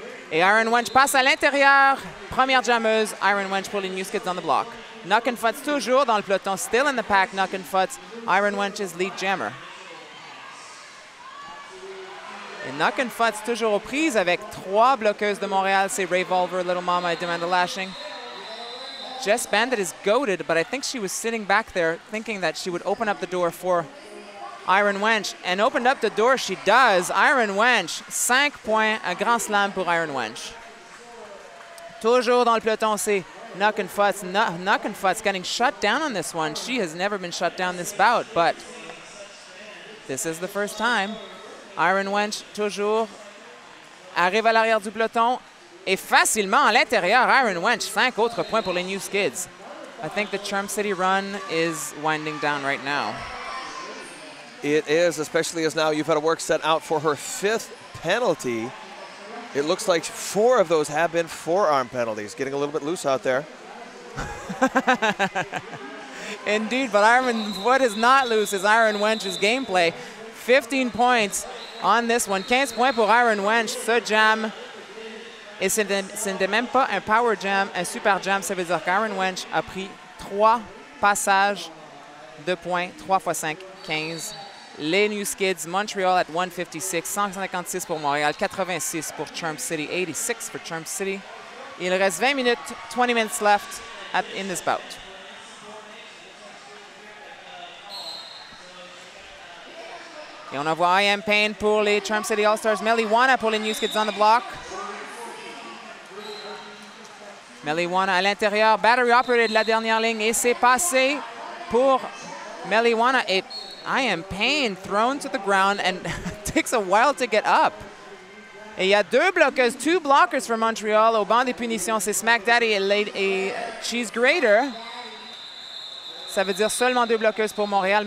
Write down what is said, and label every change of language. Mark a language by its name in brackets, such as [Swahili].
[French] Et Iron Wench passe à l'intérieur. Première jammeuse, Iron Wench pour les New Skids on the Block. Nogan Fonts toujours dans le peloton, [English] still in the pack. [French] Nogan Fonts, [English] Iron Wench's lead jammer. [French] Et Nogan Fonts toujours aux prises avec 3 bloqueuses de Montréal. C'est Revolver, Little Mama et demande the lashing. [English] Jess Bandit is goaded, but I think she was sitting back there thinking that she would open up the door for Iron Wench, and opened up the door, she does. [French] Iron Wench, 5 points, un grand slam pour Iron Wench. Toujours dans le peloton, c'est [English] Knock and Futz. Knock and Futz getting shut down on this one. She has never been shut down this bout, but this is the first time. [French] Iron Wench, toujours, arrive à l'arrière du peloton, et facilement à l'intérieur, Iron Wench, 5 autres points pour les New Skids. [English] I think the Charm City run is winding down right now. It is, especially as now you've had a work set out for her fifth penalty. It looks like four of those have been forearm penalties. Getting a little bit loose out there. Indeed, but Iron what is not loose is Iron Wench's gameplay. 15 points on this one. 15 points for Iron Wench. [French] Ce jam, et ce n'est même pas un power jam, un super jam. Ça veut dire qu'Iron Wench a pris trois passages de points. 3 fois 5, 15. Les New Skids, [English] Montreal at 156, [French] 156 pour Montréal, 86 pour Charm City, [English] 86 for Charm City. [French] Il reste 20 minutes, [English] 20 minutes left in this bout. [French] Et on a voit I.M. Payne pour les Charm City All-Stars. Meliwana pour les New Skids on the block. Meliwana à l'intérieur, battery operated la dernière ligne et c'est passé pour Meliwana. Et I.M. [English] Payne thrown to the ground and takes a while to get up. [French] Et il y a deux bloqueuses, [English] two blockers for Montreal. [French] Au banc des punitions, c'est Smack Daddy et Cheese Grater. Ça veut dire seulement deux bloqueuses pour Montréal.